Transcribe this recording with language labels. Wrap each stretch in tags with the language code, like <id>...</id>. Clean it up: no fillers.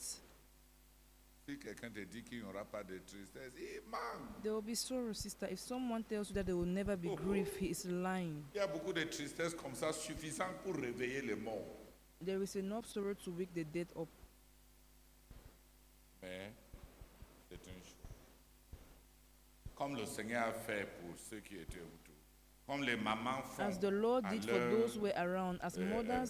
<fr>Si quelqu'un te dit qu'il n'y aura pas de tristesse, il manque.</fr> <en>There will be sorrow, sister. If someone tells you that there will never be grief, he is lying.</en> <fr>Il y a beaucoup de tristesse comme ça, suffisant pour réveiller les morts.</fr> <en>There is enough sorrow to wake the dead up.</en> <fr>Mais c'est une chose. Comme le Seigneur a fait pour ceux qui étaient autour, comme les mamans font.</fr> <en>As the Lord did for those who were around, as mothers</en>